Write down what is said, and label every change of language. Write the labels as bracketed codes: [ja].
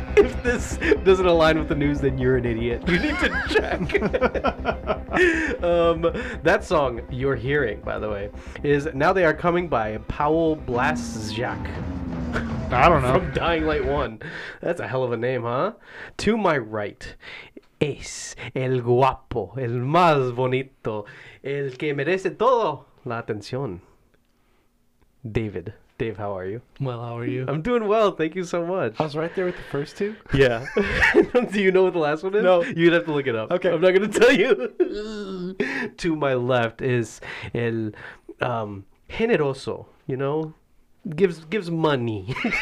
[en] If this doesn't align with the news, then you're an idiot. You need to check. That song you're hearing, by the way, is Now They Are Coming by Powell Blaszczak. I don't know. From Dying Light 1. That's a hell of a name, huh? To my right... [es] Es el guapo, el más bonito, el que merece todo la atención. [en] David. Dave, how are you? Well, how are you? I'm doing well. Thank you so much. I was right there with the first two. Yeah. Do you know what the last one is? No. You'd have to look it up. Okay. I'm not going to tell you. To my left is el generoso, you know, gives money.